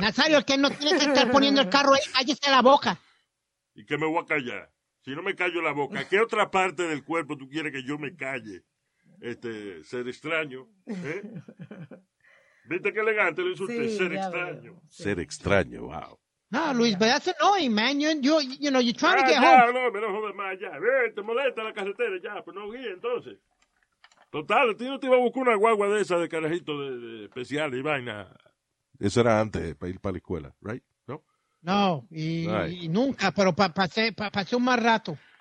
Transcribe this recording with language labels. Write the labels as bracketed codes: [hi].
[es] Nazario, es que no tiene que estar poniendo el carro ahí, cállese la boca. ¿Y qué me voy a callar? Si no me callo la boca, ¿qué otra parte del cuerpo tú quieres que yo me calle? Ser extraño, ¿eh? ¿Viste qué elegante lo insulté? Sí, ser extraño. Sí. Ser extraño, wow. [en] No, Luis, but that's annoying, man. You're trying to get home. [es] No, me lo jodas más, ya. Te molesta la carretera, ya. Pues no guíe, entonces. Total, a ti no te iba a buscar una guagua de esa de carajito de especial y vaina. Eso era antes, para ir para la escuela, right? No, no y, right. Y nunca, pero pasé un mal rato.